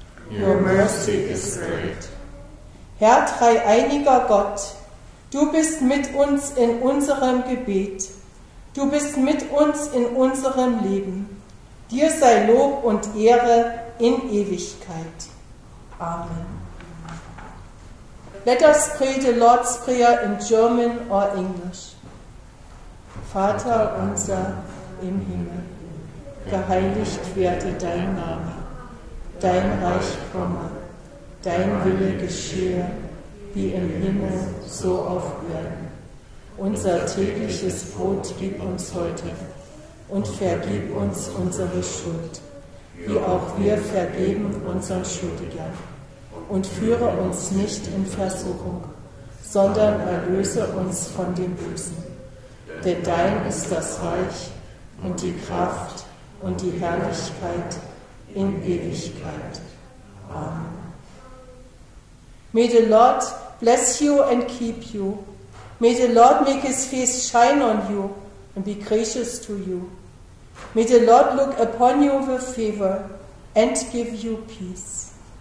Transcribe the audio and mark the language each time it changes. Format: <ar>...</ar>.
<en>Your mercy is great.</en> <de>Herr, dreieiniger Gott, du bist mit uns in unserem Gebet. Du bist mit uns in unserem Leben. Dir sei Lob und Ehre in Ewigkeit. Amen.</de> <en>Let us pray the Lord's Prayer in German or English.</en> <de>Vater unser im Himmel, geheiligt werde dein Name, dein Reich komme, dein Wille geschehe, wie im Himmel, so auf Erden. Unser tägliches Brot gib uns heute und vergib uns unsere Schuld, wie auch wir vergeben unseren Schuldigern. Und führe uns nicht in Versuchung, sondern erlöse uns von dem Bösen. Denn dein ist das Reich und die Kraft und die Herrlichkeit in Ewigkeit. Amen.</de> <en>May the Lord bless you and keep you. May the Lord make his face shine on you and be gracious to you. May the Lord look upon you with favor and give you peace.</en>